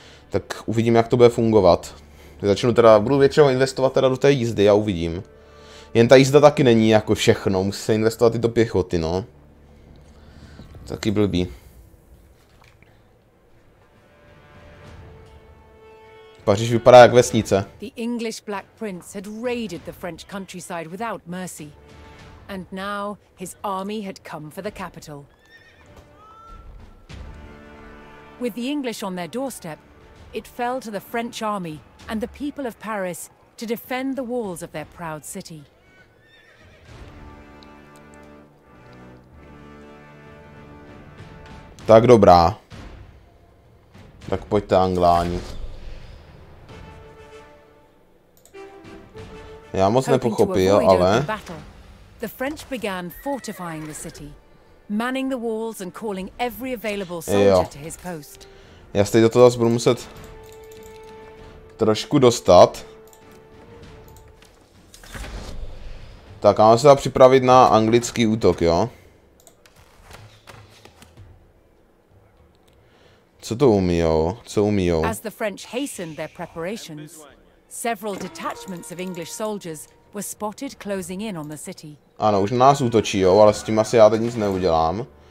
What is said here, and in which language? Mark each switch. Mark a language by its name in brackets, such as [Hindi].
[Czech] Tak uvidím, jak to bude fungovat. Budu většinou investovat teda do té jízdy a uvidím. Jen ta jízda taky není jako všechno, musí se investovat i do pěchoty, no. Taky blbý. Paříž vypadá jak vesnice. [English] The English Black Prince had raided the French countryside without mercy. And now his army had come for the capital. With the English on their doorstep, it fell to the French army and the people of Paris to defend the walls of their proud city. [Czech] Tak dobrá. Tak pojďte, Angláni. Já moc nepochopil, ale... [English] The French began fortifying the city, manning the walls and calling every available soldier to his post. [Czech] Já se teď do toho budu muset trošku dostat. Tak, máme se připravit na anglický útok, jo. Co to umíjou? Co umíjou? [English] As the French hastened their preparations, several detachments of English soldiers were spotted closing in on the city. [Czech] Ano, už na nás útočí, jo, ale s tím asi já teď nic neudělám.